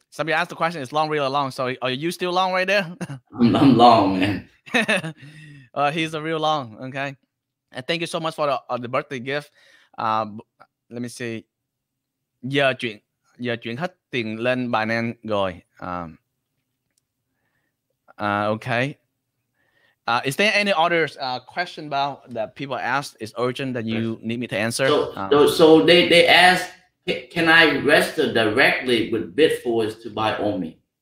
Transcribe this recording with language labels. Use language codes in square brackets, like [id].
[en] Somebody asked the question, it's long, really long. So are you still long right there? I'm long, man. He's a real long, okay. And thank you so much for the birthday gift. Let me see. [vi] Giờ chuyển hết tiền lên Binance rồi. [en] Okay. Is there any other question about that people asked? Is urgent that you need me to answer? So they asked, can I register directly with Bitforex to buy OMI?